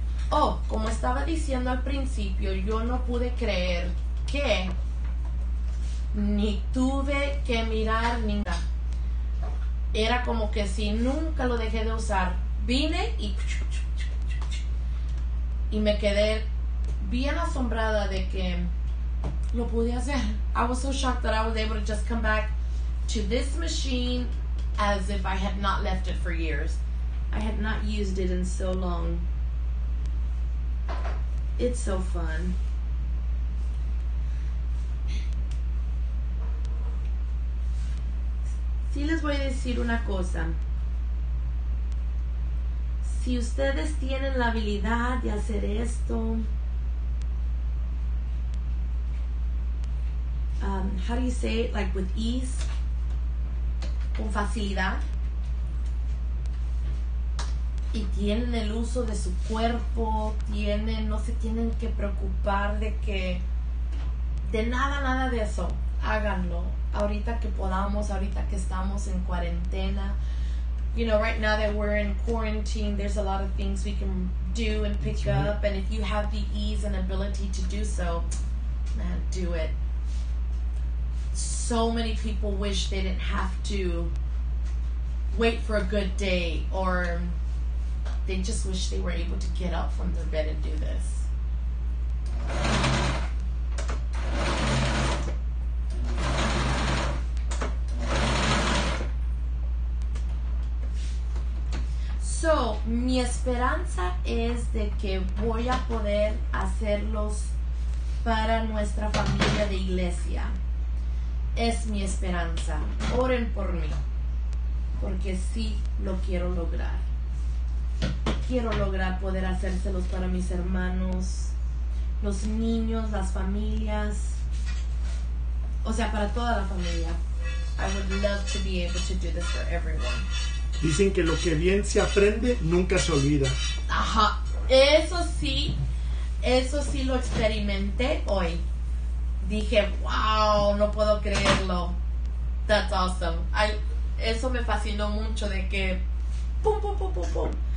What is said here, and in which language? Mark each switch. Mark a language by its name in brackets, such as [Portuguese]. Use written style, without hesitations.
[Spanish] Oh, como estaba diciendo al principio, yo no pude creer que ni tuve que mirar ni nada. Era como que si nunca lo dejé de usar. Vine y me quedé bien asombrada de que lo pude hacer. [English] I was so shocked that I was able to just come back to this machine as if I had not left it for years. I had not used it in so long. It's so fun. [Spanish] Sí, les voy a decir una cosa. Si ustedes tienen la habilidad de hacer esto, [English] how do you say it? Like with ease, [Spanish] con facilidad, y tienen el uso de su cuerpo, tienen, no se tienen que preocupar de que, de nada, nada de eso, háganlo. Ahorita que podamos, ahorita que estamos en cuarentena. [English] You know, right now that we're in quarantine, there's a lot of things we can do and pick right. up. And if you have the ease and ability to do so, man, do it. So many people wish they didn't have to wait for a good day, or they just wish they were able to get up from their bed and do this. [Spanish] So, mi esperanza es de que voy a poder hacerlos para nuestra familia de iglesia. es mi esperanza. Oren por mí. Porque sí lo quiero lograr. Quiero lograr poder hacérselos para mis hermanos, los niños, las familias. O sea, para toda la familia. [English] I would love to be able to do this for everyone. [Spanish] Dicen que lo que bien se aprende nunca se olvida. Ajá. Eso sí lo experimenté hoy. Dije, wow, no puedo creerlo. [English] That's awesome. [Spanish] Eso me fascinó mucho de que, pum, pum, pum, pum, pum.